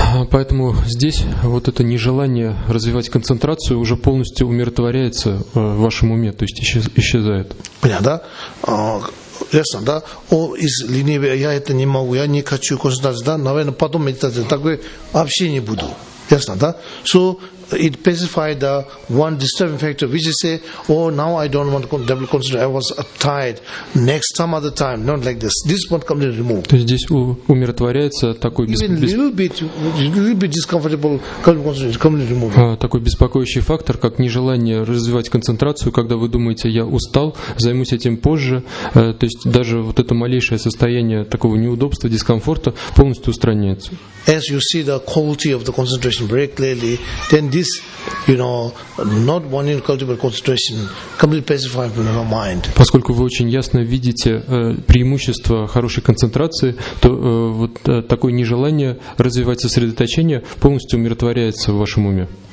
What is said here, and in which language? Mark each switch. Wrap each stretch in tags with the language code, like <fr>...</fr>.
<ru>Поэтому здесь вот это нежелание развивать концентрацию уже полностью умиротворяется в вашем уме, то есть исчезает. Понятно, да? Ясно, да? О, из ленивия, я это не могу, я не хочу концентрации, да? Наверное, потом медитация, такой вообще не буду. Ясно, да?</ru> <en>So, it pacified the one disturbing factor, which is say, oh, now I don't want to double concentrate, I was uptight, next time, other time, not like this. This one completely removed.</en> <ru>То есть здесь умиротворяется такой</ru> <en>little bit discomfortable, completely removed.</en> <ru>Такой беспокоящий фактор, как нежелание развивать концентрацию, когда вы думаете, я устал, займусь этим позже, то есть даже вот это малейшее состояние такого неудобства, дискомфорта полностью устраняется.</ru> <en>As you see the quality of the concentration very clearly, then this, you know, not wanting to cultivate concentration, completely pacified from your mind.</en> <ru>Поскольку вы очень ясно видите преимущество хорошей концентрации, то вот такое нежелание развивать сосредоточение полностью умиротворяется в вашем уме.</ru>